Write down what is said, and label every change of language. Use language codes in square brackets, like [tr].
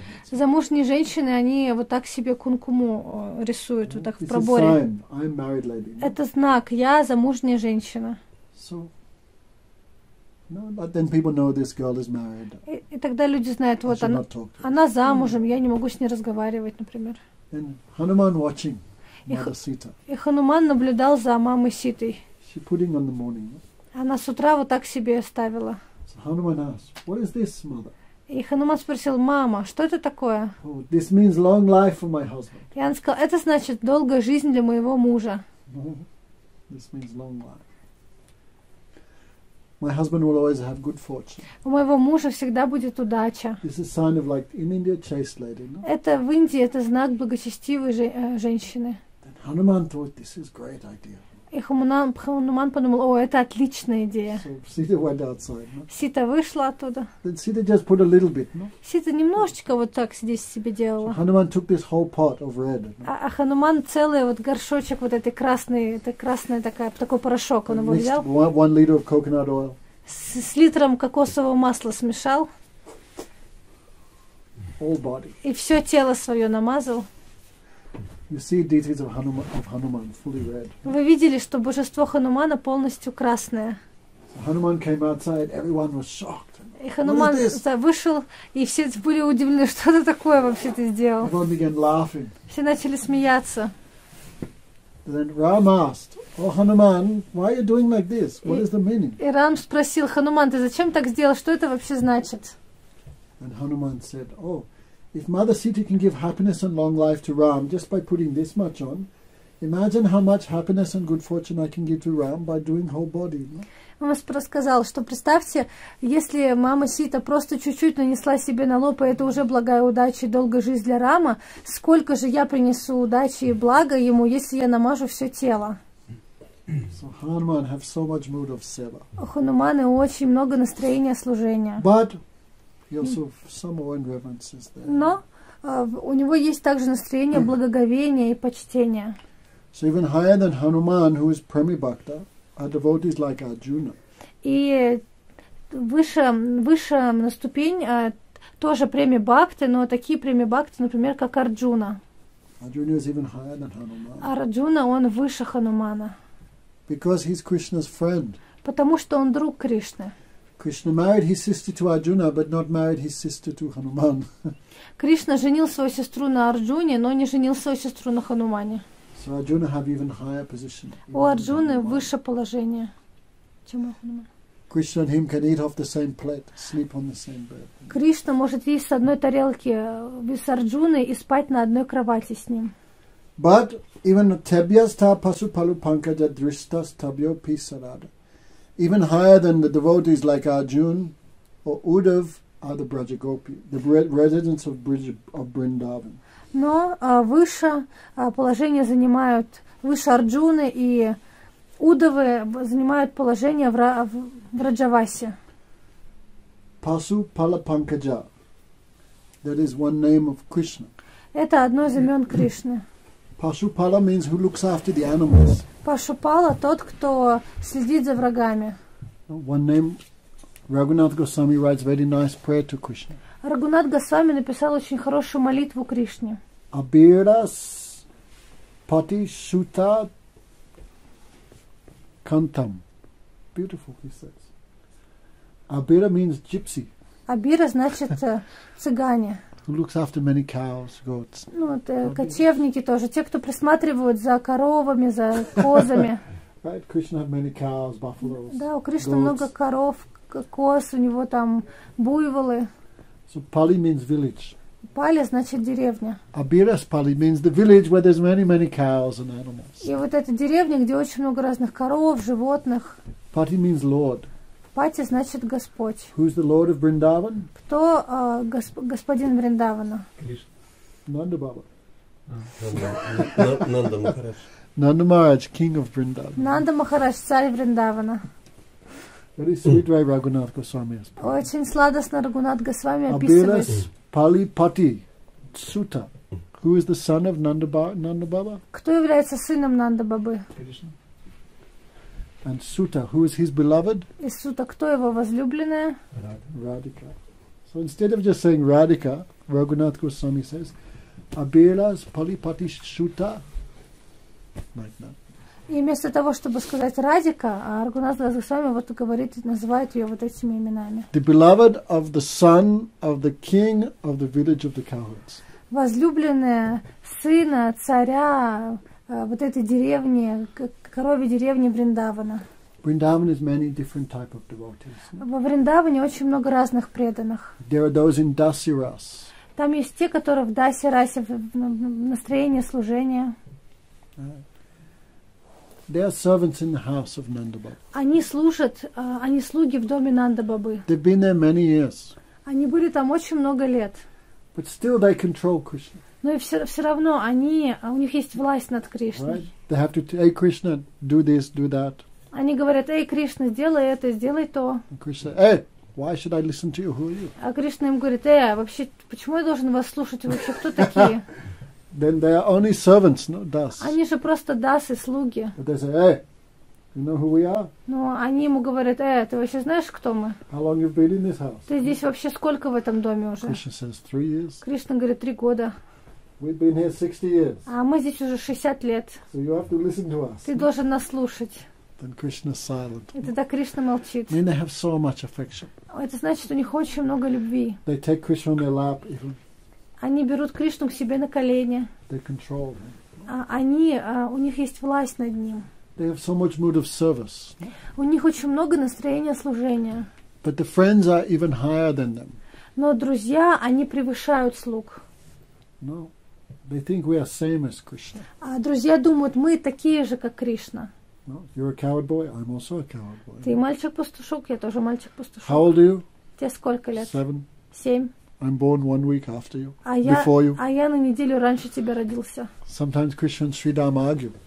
[ru] Замужние женщины, они вот так себе кункуму рисуют, вот так в проборе. Это знак, я замужняя женщина. [en] No, but then people know this girl is married. [ru] И тогда люди знают, вот она замужем, я не могу с ней разговаривать, например. [en] And Hanuman watching Mother Sita. [ru] И Хануман наблюдал за мамой Ситой. [en] She putting on the morning. [ru] Она с утра вот так себе ставила. [en] So Hanuman asked, "What is this, mother?" [ru] И Хануман спросил, мама, что это такое? [en] Oh, this means long life for my husband. [ru] И он сказал, это значит долгая жизнь для моего мужа. [en] This means long life. My husband will always have good fortune. [ru] У моего мужа всегда будет удача. [en] This is a sign of like in India chaste lady. No? [ru] Это в Индии это знак благочестивой женщины. [en] Then Hanuman thought this is a great idea. [ru] И Хануман подумал, о, это отличная идея. [en] So, Sita went outside, no? [ru] Sita вышла оттуда. [en] And Sita just put a little bit, no? [ru] Sita немножечко вот так здесь себе делала. [en] So, Hanuman took this whole pot of red, no? [ru] А Хануман целый вот горшочек вот этой красной, это красная такая, такой порошок он его взял. [en] One liter of coconut oil. [ru] С литром кокосового масла смешал. [en] All body. [ru] И все тело свое намазал. [en] You see deities of Hanuman fully red. [ru] Вы видели, что божество Ханумана полностью красное. [en] So Hanuman came outside, everyone was shocked. [ru] И Хануман вышел, и все были удивлены, что это такое вообще ты сделал. [en] Everyone began laughing. [ru] Все начали смеяться. [en] Then Ram asked, "Oh Hanuman, why are you doing like this? What is the meaning?" [ru] И Рам спросил Хануман, ты зачем так сделал? Что это вообще значит? [en] And Hanuman said, "Oh." If Mother Sita can give happiness and long life to Ram just by putting this much on, imagine how much happiness and good fortune I can give to Ram by doing whole body. [ru] Он сказал, что представьте, если мама Сита просто чуть-чуть нанесла себе на лоб, и это уже благая удача и долгая жизнь для Рама, сколько же я принесу удачи и блага ему, если я намажу все тело. [en] So Hanuman have so much mood of seva. [ru] У Хануманы очень много настроения служения. [en] But he also some awe and reverence is there. [ru] Но у него есть также настроение благоговения и почтения. [en] So even higher than Hanuman, who is Premi Bhakta, are devotees like Arjuna. [ru] И выше на ступень тоже Премия Бхакты, но такие Премия Бхакты, например, как Арджуна. [en] Arjuna is even higher than Hanuman. [ru] Арджуна он выше Ханумана. [en] Because he's Krishna's friend. [ru] Потому что он друг Кришны. [en] Krishna married his sister to Arjuna, but not married his sister to Hanuman. [ru] Кришна женил свою сестру на Арджуне, но не женил свою сестру на Хануманы. [en] So Arjuna have even higher position. [ru] У Арджуны выше положение, чем у Хануманы. [en] Krishna and him can eat off the same plate, sleep on the same bed. [ru] Кришна может есть с одной тарелки с Арджуной и спать на одной кровати с ним. [sa] But even tebhyastha pasupalu pankaja drishtas tabhyo pi sarada. [en] Even higher than the devotees like Arjuna or Uddhav are the Brajagopi, the residents of Vrindavan. [ru] Но выше положение занимают выше Арджуны и Уддавы занимают положение в Раджавасе. [en] Pasu Pala Pankaja. That is one name of Krishna. [ru] Это одно из имен Кришны. [en] Pasu Pala means who looks after the animals. [ru] Пашупала – тот, кто следит за врагами. [en] One name, Raghunath Goswami writes very nice prayer to Krishna. [ru] Raghunath Goswami написал очень хорошую молитву Кришне. [sa] Абирас пати шута кантам. [en] Beautiful, he says. Абира means gypsy. [ru] Абира значит цыгане. [en] Who looks after many cows, goats? [ru] Ну, это кочевники тоже, те, кто присматривают за коровами, за козами. [en] Right, Krishna had many cows, buffaloes. [ru] Да, у Кришны много коров, коз, у него там буйволы. [en] So Pali means village. [ru] Пали значит деревня. [en] Abiras Pali means the village where there's many, many cows and animals. [ru] И вот эта деревня, где очень много разных коров, животных. [en] Pati means lord. [ru] Пати значит Господь. [en] Who's the Lord of Vrindavan? [ru] Кто господин Вриндавана? Нанда Баба. Нанда Махарадж. [en] Нанда Махарадж, king of Vrindavan. [ru] Нанда Махарадж, царь Вриндавана. [en] Very sweet way Raghunath Goswami has put. [ru] Очень сладостно Рагунат Госвами описывает. [sa] Абирас Пали Пати Сута. [en] Who is the son of Нанда Баба? [ru] Кто является сыном Нанда Бабы? [en] And Sutta, who is his beloved? [ru] И Сута, кто его возлюбленная? [en] Radhika. So instead of just saying Radhika, Raghunath Goswami says, [sa] Abiras Palipati Sutta. [en] Like that. [ru] И вместо того, чтобы сказать Радика, Раghunath Goswami вот говорит, называет ее вот этими именами. [en] The beloved of the son of the king of the village of the cowherds. [ru] Возлюбленная сына царя вот этой деревни, коровьей деревни Вриндавана. [en] Vrindavan is many different type of devotees. [ru] Во Вриндаване очень много разных преданных. [en] There are those in Dasiras. [ru] Там есть те, которые в Дасирасе, в настроении служения. [en] They are servants in the house of Nandababa. [ru] Они служат, они слуги в доме Нандабабы. [en] They've been there many years. [ru] Они были там очень много лет. [en] But still they control Krishna. [ru] Но и все равно они, у них есть власть над Кришной. [en] Right? They have to say, "Hey, Krishna, do this, do that." [ru] Они говорят: "Эй, Кришна, сделай это, сделай то." [en] And Krishna, "Hey, why should I listen to you? Who are you?" [ru] А Кришна им говорит: "Эй, вообще, почему я должен вас слушать? Вы вообще кто такие?" [en] Then they are only servants, not das. [ru] Они же просто дасы, слуги. [en] But they say, "Hey, you know who we are?" [ru] Ну, они ему говорят: "Эй, ты вообще знаешь, кто мы?" [en] How long you've been in this house? [ru] Ты здесь вообще сколько в этом доме уже? [en] Krishna says, 3 years. [ru] Кришна говорит: 3 года. [en] We've been here 60 years. [ru] А мы здесь уже 60 лет. [en] So you have to listen to us. [ru] Ты должен нас слушать. [en] Then Krishna's silent. [ru] И тогда Кришна молчит. [en] I mean, they have so much affection. [ru] Это значит, у них очень много любви. [en] They take Krishna on their lap. [ru] Они берут Кришну к себе на колени. [en] They control him. [ru] Они, у них есть власть над ним. [en] They have so much mood of service. [ru] У них очень много настроения служения. [en] But the friends are even higher than them. [ru] Но друзья, они превышают слуг. [en] No, they think we are same as Krishna. [ru] А друзья думают, мы такие же, как Кришна. [en] No, you're a coward boy. I'm also a coward boy. [ru] Ты мальчик-пастушок, я тоже мальчик-пастушок. [en] How old are you? [ru] Тебе сколько лет? [en] 7. [ru] 7. [en] I'm born 1 week after you, before you. [ru] А я на неделю раньше тебя родился. [en] Sometimes Krishna and Sridham argue.